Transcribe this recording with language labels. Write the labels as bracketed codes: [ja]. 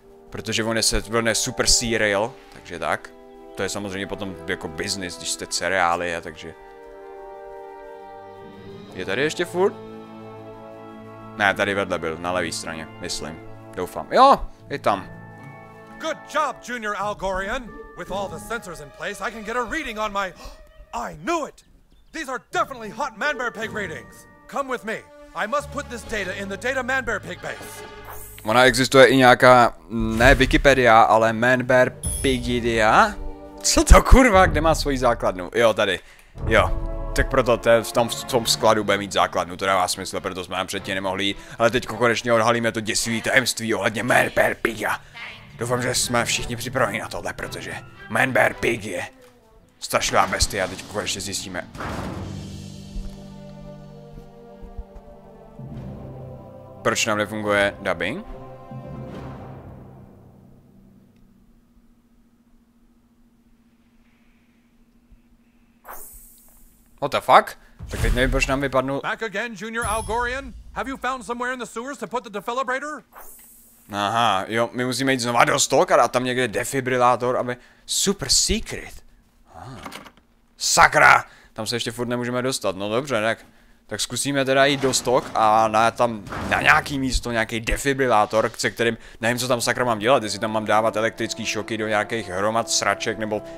[cs] Protože on je se super cereal, takže tak. To je samozřejmě potom jako business, když jste cereály a takže... Je tady ještě furt? Ne, tady vedle byl, na levý straně, myslím. Doufám. Jo, je tam. [en] Good job, Junior Algorian. With all the sensors in place, I can get a reading on my... I knew it! These are definitely hot Man Bear Pig readings. Come with me. I must put this data in the data Man Bear Pig base. [cs] Ona existuje i nějaká, ne Wikipedia, ale Man Bear Pigidia? Co to kurva, kde má svoji základnu? Jo, tady. Jo. Tak proto v tom skladu bude mít základnu, to dává smysl, proto jsme nám předtím nemohli jít. Ale teď konečně odhalíme to děsivý tajemství ohledně Man Bear Piga. Doufám, že jsme všichni připraveni na tohle, protože Man Bear Pig je strašná bestia, teď konečně zjistíme. Proč nám nefunguje dubbing? [en] What the fuck? [cs] Tak teď nevím, proč nám vypadnul... [en] Back again, Junior Algorian? Have you found somewhere in the sewers to put the defibrillator? [cs] Aha, jo, my musíme jít znova do stolka a tam někde defibrilátor, aby... [en] Super secret! Ah. Sakra! [cs] Tam se ještě furt nemůžeme dostat, no dobře, tak... Tak zkusíme teda jít do stok a na tam na nějaký místo nějaký defibrilátor, se kterým nevím, co tam sakra mám dělat, jestli tam mám dávat elektrický šoky do nějakých hromad sraček nebo...